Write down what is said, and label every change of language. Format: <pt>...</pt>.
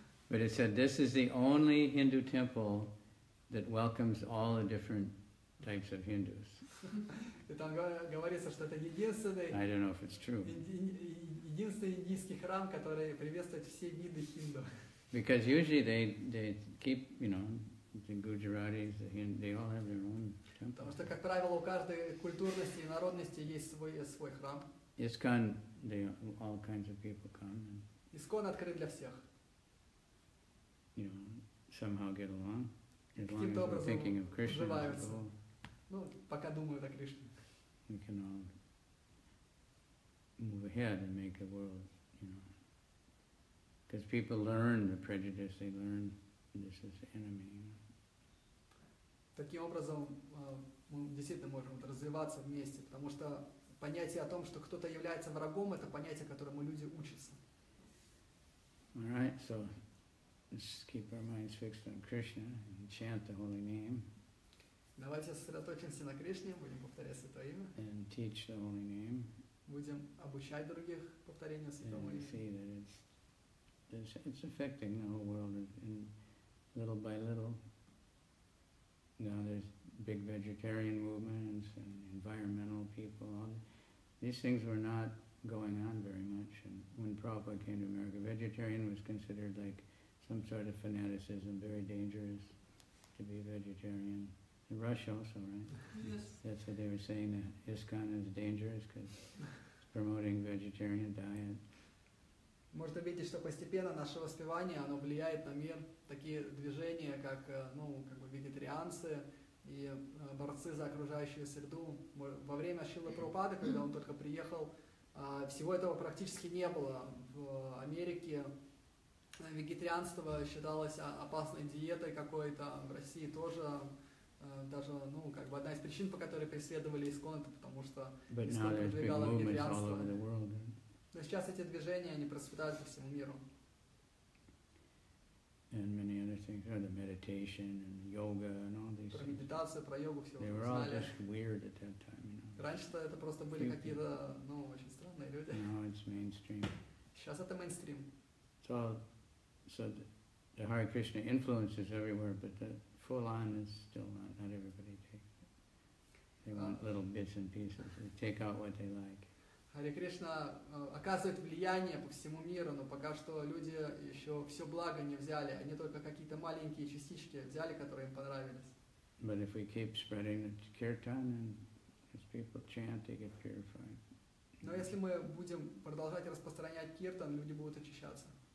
<en>But it said this is the only Hindu temple that welcomes all the different types of Hindus.</en> <ru>И там говорится, что это единственный.</ru> <en>I don't know if it's true.</en> <ru>Единственный индийский храм, который приветствует все виды хинду.</ru> <en>Because usually they keep, you know, the Gujaratis, the Hindus, they all have their own temple.</en> <ru>Потому что, как правило, у каждой культурности и народности есть свой храм.</ru> <en>ISKCON, all kinds of people come.</en> <ru>ISKCON открыт для всех.</ru> <en>You know, somehow get along. As long as we're thinking of Krishna.</en> <ru>Ну, пока думают о Кришне.</ru> <en>We can all move ahead and make the world, you know. Because people learn the prejudice, they learn this is the enemy.</en> <ru>Таким образом, мы действительно можем развиваться вместе, потому что понятие о том, что кто-то является врагом, это понятие, которому люди учатся.</ru> <en>All right, so let's keep our minds fixed on Krishna and chant the holy name.</en> <ru>Давайте сосредоточимся на Кришне, будем повторять Святое Имя.</ru> <en>And teach the holy name.</en> <ru>Будем обучать других повторению Святого Имя.</ru> <en>It's affecting the whole world, and little by little, now there's big vegetarian movements and environmental people. These things were not going on very much, and when Prabhupada came to America, vegetarian was considered like some sort of fanaticism, very dangerous to be vegetarian. In Russia also, right? Yes. That's what they were saying, that ISKCON is dangerous because it's promoting vegetarian diet.</en> <ru>Можно видеть, что постепенно наше воспевание, оно влияет на мир. Такие движения, как, ну, как бы вегетарианцы и борцы за окружающую среду. Во время Шрилы Прабхупады, когда он только приехал, всего этого практически не было. В Америке вегетарианство считалось опасной диетой какой-то, в России тоже. Даже, ну, как бы одна из причин, по которой преследовали ИСККОН, это потому что ИСККОН продвигало вегетарианство. Но сейчас эти движения, они процветают по всему миру.</ru> <en>And many other things, the meditation and yoga and all these.</en> <ru>Про медитацию, про йогу все узнали.</ru> <en>They were all just weird at that time, you know.</en> <ru>Раньше-то это просто были какие-то, ну, очень странные люди.</ru> <en>Now it's mainstream.</en> <ru>Сейчас это мейнстрим.</ru> <en>So the Hare Krishna influence is everywhere, but the full on is still not everybody takes it. They want little bits and pieces. They take out what they like.</en> <ru>Харе Кришна оказывает влияние по всему миру, но пока что люди еще все благо не взяли, они только какие-то маленькие частички взяли, которые им понравились. Но если мы будем продолжать распространять киртан, люди будут очищаться.</ru>